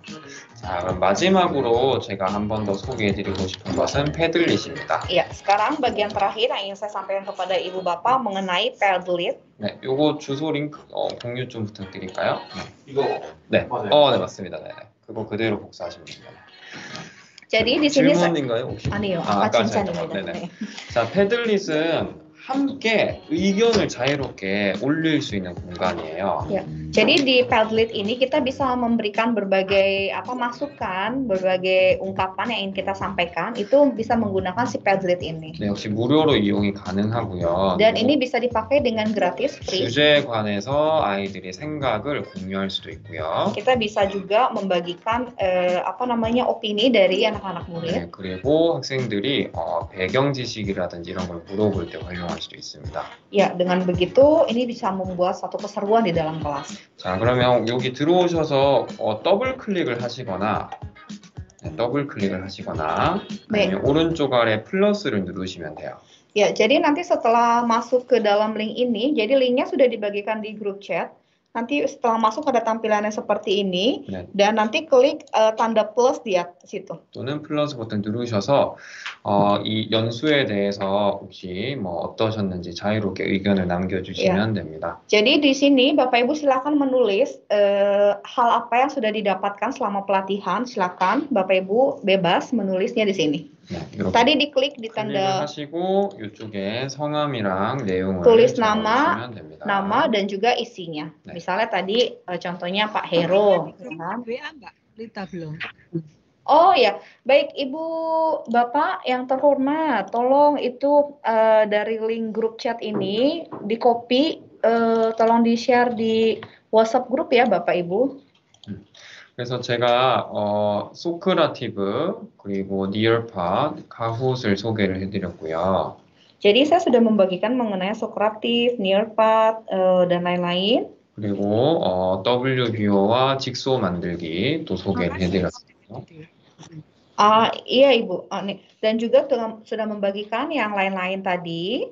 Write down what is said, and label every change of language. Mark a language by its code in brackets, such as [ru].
[ko] Nah, 그럼 마지막으로 제가 한 번 더 소개해드리고 싶은 것은 Padlet입니다. [id] 이야, sekarang bagian terakhir yang ingin saya sampaikan kepada Ibu Bapak mengenai Padlet. [ko] 네, 요거 주소 링크 공유 좀 부탁드릴까요? 이거. 네. 네 맞습니다. 네. 그거 그대로 복사하시면 됩니다. [id] Jadi di sini. [ko] 질문인가요 혹시? 아니요, 아까 진짜입니다. 네네. 자, Padlet은 함께 의견을 자유롭게 올릴 수 있는 공간이에요. 예. [id] Jadi di Padlet ini kita bisa memberikan berbagai apa masukan, berbagai ungkapan yang ingin kita sampaikan itu bisa menggunakan si Padlet ini. [ko] 네, 역시 무료로 이용이 가능하고요. [id] 그리고 ini bisa dipakai dengan gratis free. [ko] 주제에 관해서 아이들이 생각을 공유할 수도 있고요. [id] Kita bisa juga membagikan apa namanya opini dari anak-anak murid. [ko] 네, 그리고 학생들이 배경 지식이라든지 이런 걸 물어볼 때 [id] Ya, dengan begitu ini bisa membuat satu keseruan di dalam kelas. [ko] 자, 그러면 여기 들어오셔서 더블 클릭을 하시거나 더블 클릭을 하시거나 네. 아니면 오른쪽 아래 플러스를 누르시면 돼요. [id] Ya, jadi nanti setelah masuk ke dalam link ini, jadi linknya sudah dibagikan di grup chat. Nanti setelah masuk ada tampilannya seperti ini 네. dan nanti klik tanda plus di situ. [ko] 또는 플러스 버튼 누르셔서 이 연수에 대해서 혹시 뭐 어떠셨는지 자유롭게 의견을 남겨주시면 yeah. 됩니다. [id] Jadi di sini Bapak Ibu silakan menulis hal apa yang sudah didapatkan selama pelatihan. Silakan Bapak Ibu bebas menulisnya di sini. [ko] 네, [id] Tadi diklik di tanda. [ko] 하시고 이쪽에 성함이랑 내용을 [id] tulis nama, [ko] 됩니다. [id] Nama dan juga isinya. 네. Misalnya tadi contohnya Pak Hero. WA Mbak Lita belum. Oh ya, baik Ibu Bapak yang terhormat, tolong itu dari link grup chat ini di copy, tolong di share di WhatsApp grup ya Bapak Ibu. [ko] 그래서 제가 소크라티브 그리고 니얼팟 가훗을 소개를 해드렸고요. [id] Jadi saya sudah membagikan mengenai Socrates, Nearpod, dan lain-lain. [ko] 그리고 WBO와 직소 만들기 또 소개를 해드렸어요. 아, 이해 이부. 네. [id] dan juga sudah membagikan yang lain-lain tadi.